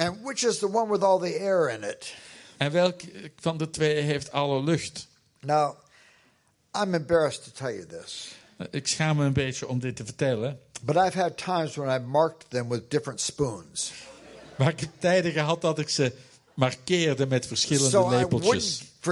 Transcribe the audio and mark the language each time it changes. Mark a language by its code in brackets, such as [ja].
[en] And which is the one with all the air in it. [nl] En welk van de twee heeft alle lucht? [en] Now, I'm embarrassed to tell you this. [nl] Ik schaam me een beetje om dit te vertellen. [en] But I've had times when I marked them with different spoons. [nl] Maar ik heb tijden gehad dat ik ze markeerde met verschillende lepeltjes.